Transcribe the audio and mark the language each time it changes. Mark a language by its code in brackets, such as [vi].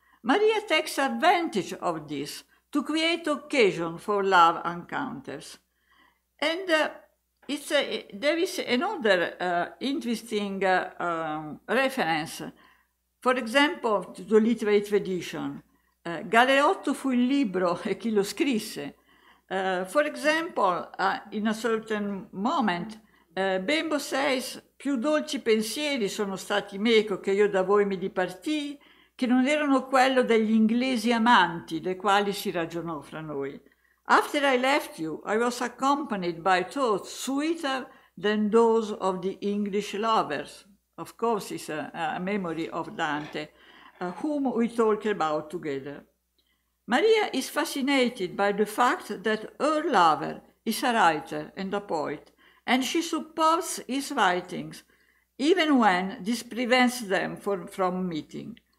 [en] Maria takes advantage of this to create occasion for love encounters. And there is another interesting reference, for example, to the literary tradition. [it] Galeotto fu il libro e chi lo scrisse. [en] For example, in a certain moment, Bembo says, [it] "Più dolci pensieri sono stati meco che io da voi mi dipartii, che non erano quello degli inglesi amanti, dei quali si ragionò fra noi. [en] After I left you, I was accompanied by thoughts sweeter than those of the English lovers." Of course, it's a memory of Dante. Whom we talk about together. Maria is fascinated by the fact that her lover is a writer and a poet, and she supports his writings, even when this prevents them from meeting.